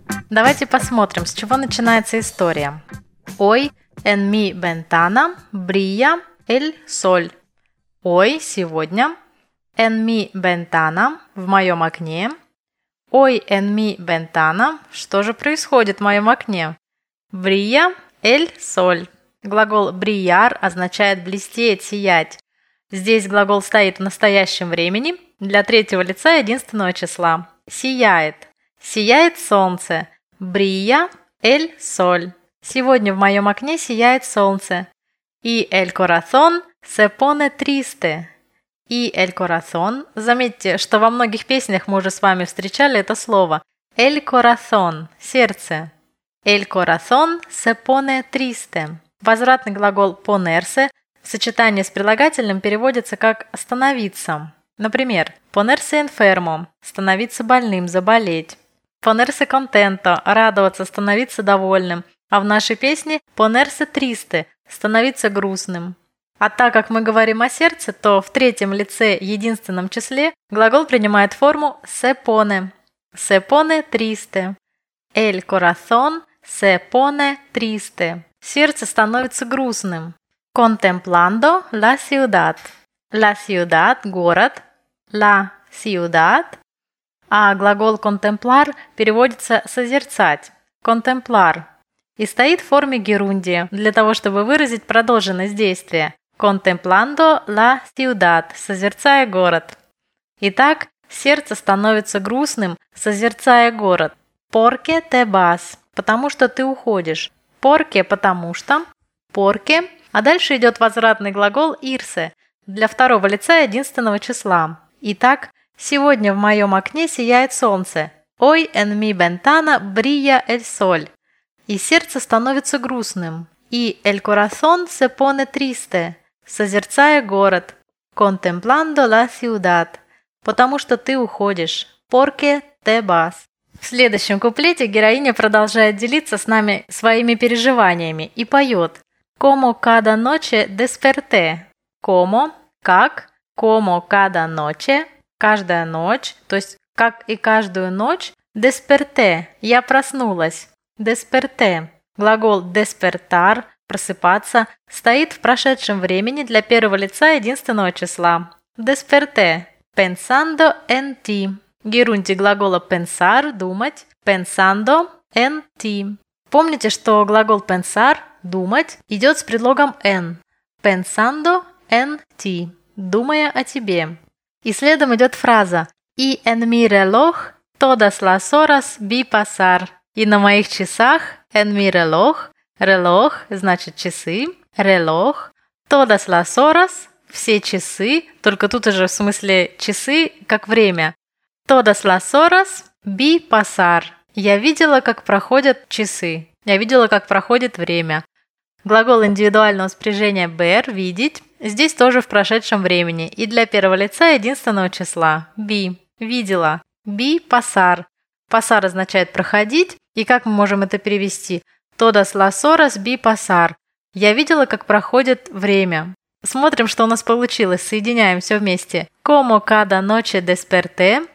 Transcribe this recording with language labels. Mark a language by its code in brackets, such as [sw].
[ru] Давайте посмотрим, с чего начинается история. [es] Ой, en mi ventana brilla el sol. [ru] Ой, сегодня. [es] En mi ventana, [ru] в моем окне. Ой, [es] en mi ventana, [ru] что же происходит в моем окне? [es] Brilla el sol. [ru] Глагол brillar означает блестеть, сиять. Здесь глагол стоит в настоящем времени для третьего лица единственного числа. Сияет. Сияет солнце. [es] Brilla el sol. [ru] Сегодня в моем окне сияет солнце. И [es] el corazón se pone triste. И el corazón. [ru] Заметьте, что во многих песнях мы уже с вами встречали это слово. [es] El corazón. [ru] Сердце. [es] El corazón se pone triste. [ru] Возвратный глагол ponerse в сочетании с прилагательным переводится как становиться. Например, [es] ponerse enfermo. [ru] Становиться больным, заболеть. [es] Ponerse contento [ru] – радоваться, становиться довольным. А в нашей песне [es] ponerse triste [ru] – становиться грустным. А так как мы говорим о сердце, то в третьем лице единственном числе глагол принимает форму [es] se pone. Se pone triste. El corazón se pone triste. [ru] Сердце становится грустным. [es] Contemplando la ciudad. La ciudad, [ru] город. [es] La ciudad. [ru] А глагол contemplar переводится созерцать. [es] Contemplar. [ru] И стоит в форме герундия для того, чтобы выразить продолженность действия. [es] Contemplando la ciudad. [ru] Созерцая город. Итак, сердце становится грустным, созерцая город. [es] Porque te vas. [ru] Потому что ты уходишь. [es] Porque [ru] – потому что. [es] Porque. [ru] А дальше идет возвратный глагол irse для второго лица единственного числа. Итак, сегодня в моем окне сияет солнце. [es] Hoy en mi ventana brilla el sol. [ru] И сердце становится грустным. [es] И el corazón se pone triste. [ru] Созерцая город. [es] Contemplando la ciudad. [ru] Потому что ты уходишь. [es] Porque te vas. [ru] В следующем куплете героиня продолжает делиться с нами своими переживаниями и поет. [es] Como cada noche desperté. [ru] Como, как, [es] como cada noche, [ru] каждая ночь, то есть как и каждую ночь, desperté, я проснулась. Desperté, глагол despertar, просыпаться, стоит в прошедшем времени для первого лица единственного числа. [es] Desperté, pensando en ti. [ru] Герундий глагола pensar – думать, [es] pensando en ti. [ru] Помните, что глагол pensar – думать идет с предлогом en. [es] Pensando en ti – [ru] думая о тебе. И следом идет фраза «И [es] en mi reloj todas las horas vi pasar». [ru] И на моих часах [es] «en mi reloj» [ru] – «reloj» значит «часы», «reloj» – [es] «todas las horas» [ru] – «все часы», только тут уже в смысле «часы» как «время». [es] Todas las horas vi pasar. [ru] Я видела, как проходят часы. Я видела, как проходит время. Глагол индивидуального спряжения ver – видеть. Здесь тоже в прошедшем времени. И для первого лица единственного числа. [es] Vi – [ru] видела. [es] Vi pasar. [ru] Pasar означает проходить. И как мы можем это перевести? [es] Todas las horas vi pasar. [ru] Я видела, как проходит время. Смотрим, что у нас получилось. Соединяем все вместе. [es] Como cada noche desperté.